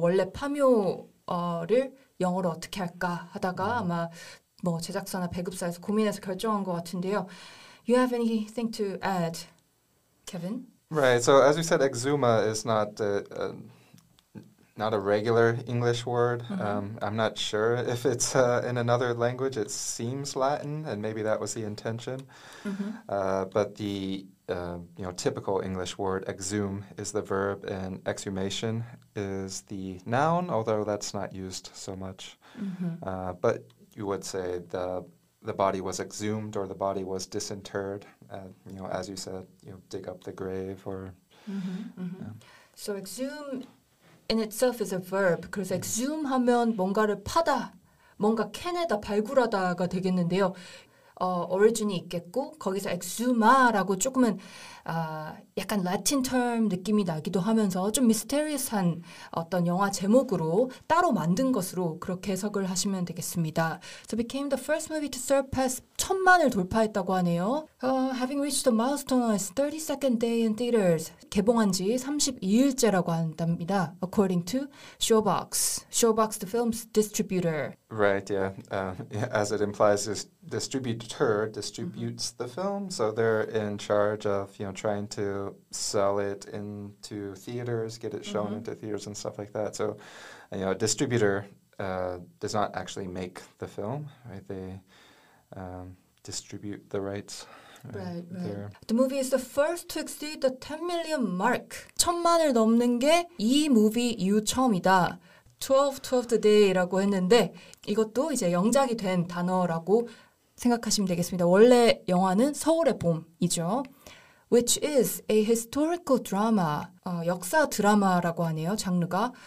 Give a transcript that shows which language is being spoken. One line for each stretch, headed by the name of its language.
Korean: 원래 파묘를 영어로 어떻게 할까 하다가 아마 뭐 제작사나 배급사에서 고민해서 결정한 것 같은데요.
English: You have anything to add, Kevin? Right. So as you said, Exuma is not not a regular English word. I'm not sure if it's in another language. It seems Latin, and maybe that was the intention. But the you know, typical English word exhume is the verb and exhumation is the noun, although that's not used so much. But you would say the body was exhumed or the body was disinterred, you know, as you said, you know, dig up the grave or So exhume in itself is a verb.
Korean: 그래서 exhume 하면 뭔가를 파다, 뭔가 캐내다, 발굴하다가 되겠는데요. 오리진이 있겠고 거기서 exhuma라고 조금은 약간 라틴 term 느낌이 나기도 하면서 좀 미스테리스한 어떤 영화 제목으로 따로 만든 것으로 그렇게 해석을 하시면 되겠습니다.
English: So became the first movie to surpass
Korean: 1,000만을 돌파했다고 하네요.
English: Having reached the milestone on its 32nd day in theaters.
Korean: 개봉한 지 32일째라고 한답니다.
English: According to Showbox. Showbox, the film's distributor. Right, yeah. As it implies, this distributor distributes the film. So they're in charge of, you know, trying to sell it into theaters, get it shown into theaters and stuff like that. So, you know, a distributor does not actually make the film, right? They distribute the rights. Right. The movie is the first to exceed the 10 million mark.
Korean: 1,000만을 넘는 게 이 무비 이후 처음이다. 12th day라고 했는데 이것도 이제 영작이 된 단어라고 생각하시면 되겠습니다. 원래 영화는 서울의 봄이죠.
English: Which is a historical drama,
Korean: 역사 드라마라고 하네요, 장르가.